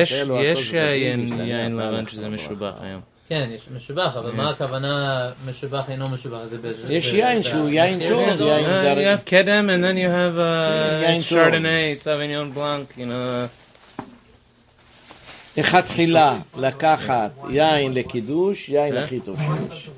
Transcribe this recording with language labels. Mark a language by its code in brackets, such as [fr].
[he] יש יין לבן שזה משובח היום. כן, יש משובח, אבל מה הכוונה משובח אינו משובח? יש יין שהוא יין טוב. [en] You have קדם and then you have Chardonnay, Sauvignon Blanc, [he] איך התחילה לקחת יין לקידוש, יין הכי טוב שיש.